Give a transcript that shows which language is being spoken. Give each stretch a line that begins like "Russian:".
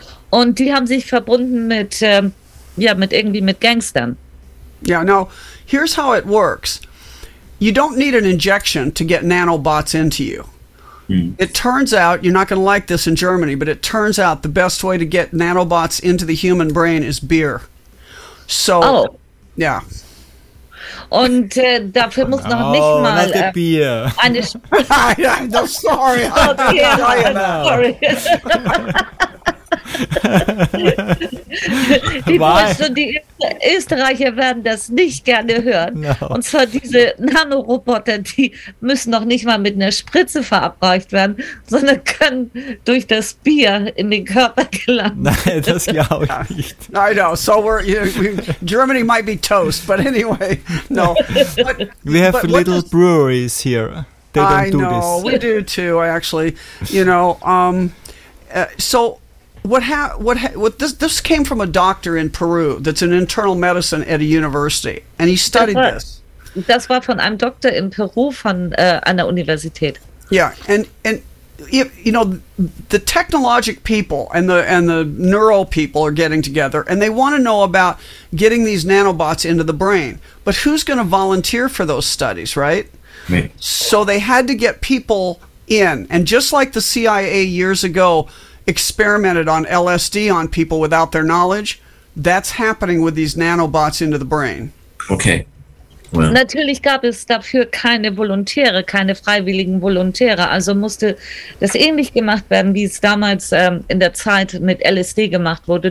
German: Und die haben sich verbunden mit mit Gangstern.
English: Yeah, now here's how it works. You don't need an injection to get nanobots into you. It turns out, you're not going to like this in Germany, but it turns out the best way to get nanobots into the human brain is beer. So, yeah.
German: Und dafür muss noch nicht mal
English: not the beer.
German: Eine Spritze.
English: I'm sorry. Sorry.
German: Die Deutschen und die Österreicher werden das nicht gerne hören.
English: No.
German: Und zwar diese Nanoroboter, die müssen noch nicht mal mit einer Spritze verabreicht werden, sondern können durch das Bier in den Körper gelangen. Nein, das glaube ich nicht.
English: I know. So Germany might be toast, but anyway, no. We have little breweries here. They don't do this. I know. We do too, actually. You know, this came from a doctor in Peru that's an internal medicine at a university, and he studied this.
German: Das war von einem Doktor in Peru von einer Universität.
English: Yeah, and you know, the technologic people and the neuro people are getting together, and they want to know about getting these nanobots into the brain. But who's going to volunteer for those studies, right? Me. So they had to get people in, and just like the CIA years ago experimented on LSD on people without their knowledge, that's happening with these nanobots into the brain. Okay. Well.
German: Natürlich gab es dafür keine Volontäre, keine freiwilligen Volontäre. Also musste das ähnlich gemacht werden, wie es damals in der Zeit mit LSD gemacht wurde.